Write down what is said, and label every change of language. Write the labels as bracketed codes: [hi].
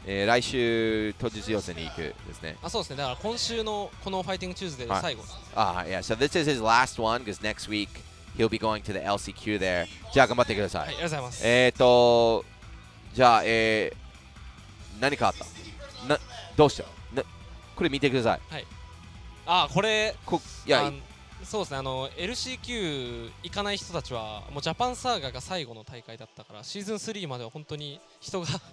[ja] 来週当日予選に行くですね。あ、そうですね。だから今週のこのファイティングチューズデーで最後です。あ、はい。Yeah. [en] So this is his last one because next week he'll be going to the LCQ there. [ja] じゃあ頑張ってください。はい、ありがとうございます。じゃあ、何かあった？どうした？これ見てください。はい。あ、これ。いや、そうですね。あの LCQ 行かない人たちはもうジャパンサーガが最後の大会だったからシーズン3までは本当に人が。